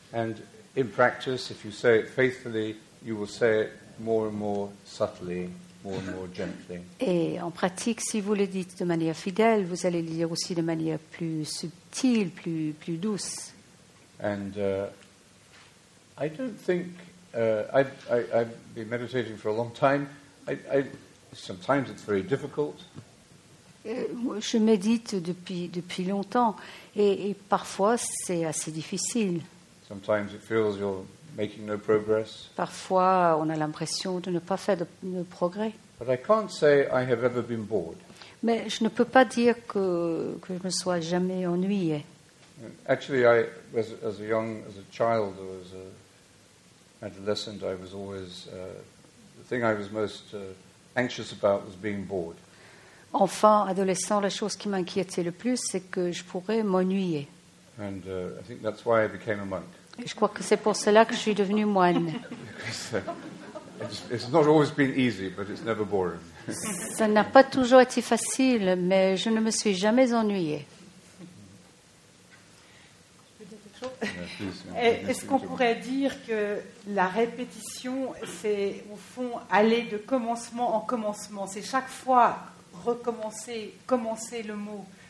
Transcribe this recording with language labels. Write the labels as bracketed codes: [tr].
[en] And in practice, if you say it faithfully, you will say it more and more subtly, more and more gently. [fr] Et en pratique, si vous le dites de manière fidèle, vous allez le dire aussi de manière plus subtile, plus douce. [en] And I don't think I've been meditating for a long time. Sometimes it's very difficult. [fr] Je médite depuis longtemps et parfois c'est assez difficile. [en] Sometimes it feels you're making no progress. [fr] Parfois on a l'impression de ne pas faire de progrès. [en] But I can't say I have ever been bored. [fr] Mais je ne peux pas dire que je me sois jamais ennuyé. [en] Actually, I was as a child or as an adolescent, I was always the thing I was most anxious about was being bored. [fr] Enfant, adolescent, la chose qui m'inquiétait le plus, c'est que je pourrais m'ennuyer. [en] And I think that's why I became a monk. [fr] Je crois que c'est pour cela que je suis devenue moine. [en] It's not always been easy, but it's never boring. [fr] Ça n'a pas toujours été facile, mais je ne me suis jamais ennuyée. Est-ce qu'on pourrait dire que la répétition, c'est au fond aller de commencement en commencement? C'est chaque fois recommencer, commencer le mot.